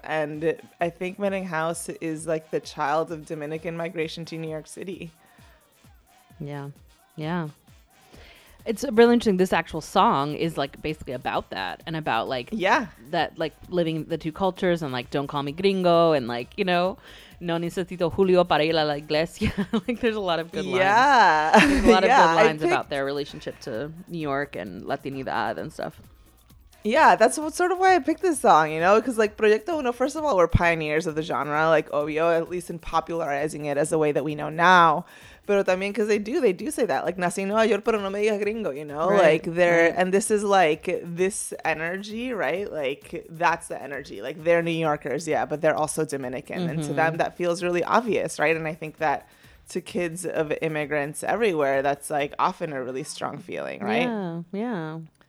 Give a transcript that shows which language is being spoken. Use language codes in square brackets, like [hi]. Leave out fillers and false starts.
[en] And I think Merengue House is like the child of Dominican migration to New York City. Yeah. Yeah. It's really interesting. This actual song is like basically about that and about like, yeah, that like living the two cultures and like, don't call me gringo and like, you know. [es] No necesito Julio para ir a la iglesia. [en] Like, there's a lot of good lines. Yeah. There's a lot of good lines about their relationship to New York and Latinidad and stuff. Yeah, that's what, sort of why I picked this song, you know? Because, like, Proyecto Uno, first of all, we're pioneers of the genre, like, obvio, at least in popularizing it as a way that we know now. [es] Pero también [en] because they do say that. Like, [es] nací en Nueva York, pero no me digas gringo, [en] you know? Right. Like, they're, right. And this is, like, this energy, right? Like, that's the energy. Like, they're New Yorkers, yeah, but they're also Dominican. Mm-hmm. And to them, that feels really obvious, right? And I think that to kids of immigrants everywhere, that's, like, often a really strong feeling, right? Yeah, yeah.